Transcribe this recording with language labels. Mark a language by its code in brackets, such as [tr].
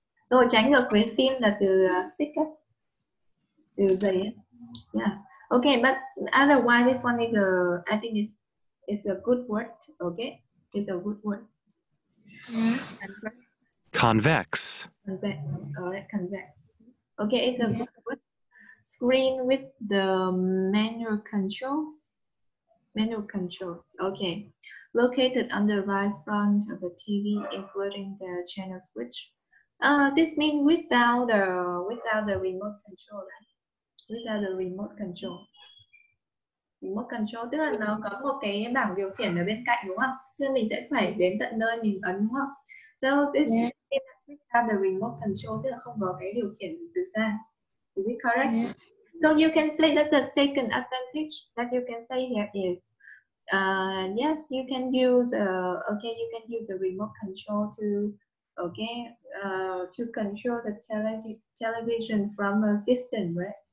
[vi] Rồi tránh ngược với phim là từ thick á, từ dày á. Yeah. [en] Okay, but otherwise this one is I think it's a good word. Okay, it's a good word. Convex. Convex. Alright, convex. Okay, it's a good word. Screen with the manual controls. Manual controls. Okay, located on the right front of the TV, including the channel switch. This means without the remote control. Without the remote control. [vi] Remote control tức là nó có một cái bảng điều khiển ở bên cạnh đúng không? Thì mình sẽ phải đến tận nơi mình ấn đúng không? [en] So this without the remote control [vi] tức là không có cái điều khiển từ xa. [en] Is it correct? Yeah. So you can say that the second advantage that you can say here is yes, you can use the remote control to to control the television from a distance, right?